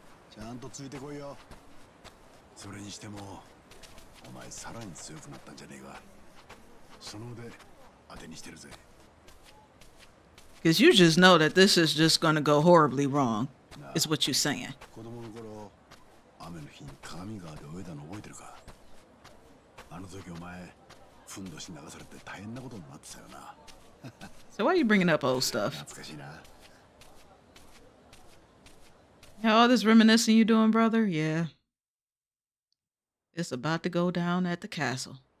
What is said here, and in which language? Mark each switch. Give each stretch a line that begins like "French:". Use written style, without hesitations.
Japanese: ちゃんとついてこいよ。それにしてもお前さらに強くなったんじゃねえか。その腕当てにしてるぜ。
English: Because you just know that this is just gonna go horribly wrong is what you're saying.
Japanese: 子供の頃雨の日に鏡川で泳いだの覚えてるか。あの時お前ふんどし流されて大変なことになってたよな。
English: So why are you bringing up old stuff?
Japanese: 懐かしいな。
English: Yeah, all this reminiscing you doing, brother? Yeah. It's about to go down at the castle.